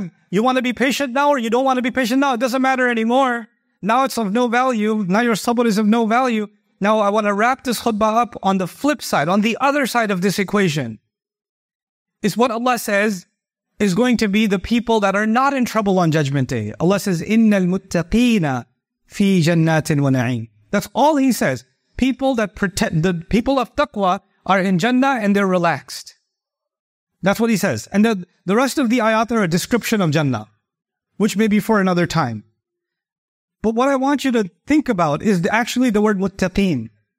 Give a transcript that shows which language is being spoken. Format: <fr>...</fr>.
<en>You want to be patient now or you don't want to be patient now? It doesn't matter anymore. Now it's of no value. Now your sabr is of no value. Now I want to wrap this khutbah up on the flip side, on the other side of this equation. It's what Allah says is going to be the people that are not in trouble on Judgment Day. Allah says,</en> <ar>إِنَّ الْمُتَّقِينَ فِي جَنَّاتٍ وَنَعِيمٍ.</ar> <en>That's all He says. People that pretend, the people of taqwa are in Jannah and they're relaxed. That's what He says. And the rest of the ayat are a description of Jannah, which may be for another time. But what I want you to think about is actually the word muttaqin.</en>